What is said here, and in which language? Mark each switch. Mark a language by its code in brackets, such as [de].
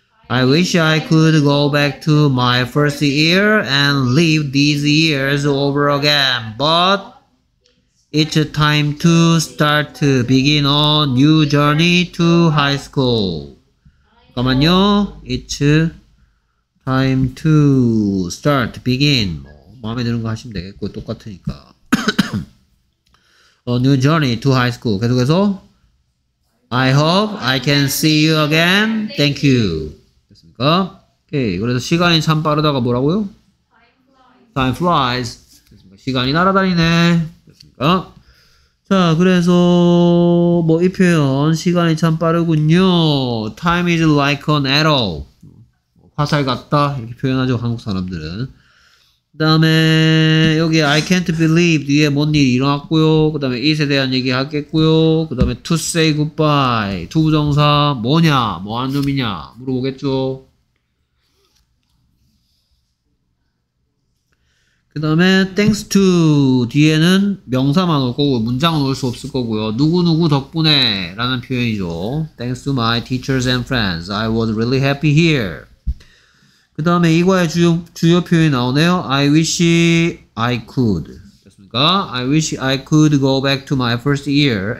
[en] I wish I could go back to my first year and live these years over again. But it's time to start to begin a new journey to high school. [ko] 잠깐만요. [en] It's time to start, begin. [ko] 뭐, 마음에 드는 거 하시면 되겠고, 똑같으니까. [en] A new journey to high school. 계속해서. I hope I can see you again. Thank you. [ko] 됐습니까? 오케이. 그래서 시간이 참 빠르다가 뭐라고요? [en] Time flies. [ko] 됐습니까? 시간이 날아다니네. 됐습니까? 자, 그래서 뭐 이 표현 시간이 참 빠르군요. [en] Time is like an arrow. [ko] 화살 같다 이렇게 표현하죠 한국 사람들은. 그 다음에 여기 [en] I can't believe [ko] 뒤에 뭔 일이 일어났고요. 그 다음에 it에 대한 얘기 하겠고요. 그 다음에 to say goodbye, 투부정사 뭐냐 뭐하는 놈이냐 물어보겠죠. 그 다음에 thanks to 뒤에는 명사만 올 거고 문장은 올 수 없을 거고요. 누구누구 덕분에 라는 표현이죠. [en] Thanks to my teachers and friends, I was really happy here. [ko] 그 다음에 이과의 주요 표현이 나오네요. [en] I wish I could. [ko] 됐습니까? [en] I wish I could go back to my first year.